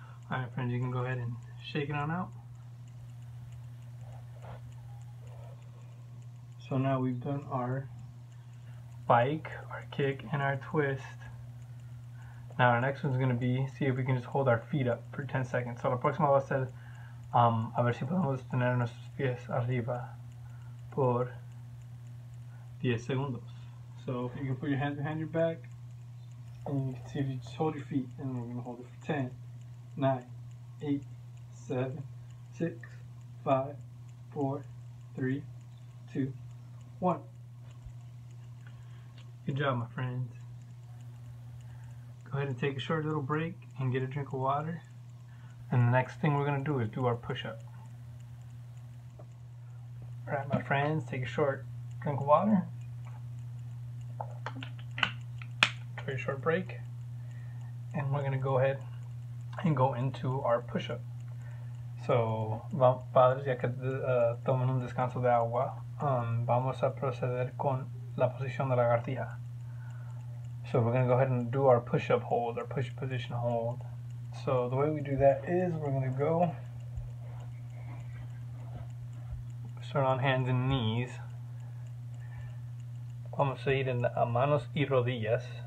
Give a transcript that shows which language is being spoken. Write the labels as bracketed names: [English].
[English] All right, friends, you can go ahead and shake it on out. So now we've done our bike, our kick, and our twist. Now our next one's going to be, see if we can just hold our feet up for 10 seconds. [Spanish] So la próxima va a ser, a ver si podemos tener nuestros pies arriba por 10 segundos. [English] So you can put your hands behind your back and you can see if you just hold your feet, and we're going to hold it for 10, 9, 8, 7, 6, 5, 4, 3, 2, 1. Good job, my friends. Go ahead and take a short little break and get a drink of water. And the next thing we're going to do is do our push-up. Alright, my friends, take a short drink of water. Take a short break. And we're going to go ahead and go into our push-up. [Spanish] So, padres, ya que tomen un descanso de agua, vamos a proceder con la posición de lagartija. [English] So, we're going to go ahead and do our push-up hold, our push position hold. So the way we do that is we're going to go start on hands and knees. [Spanish] Vamos a ir en a manos y rodillas.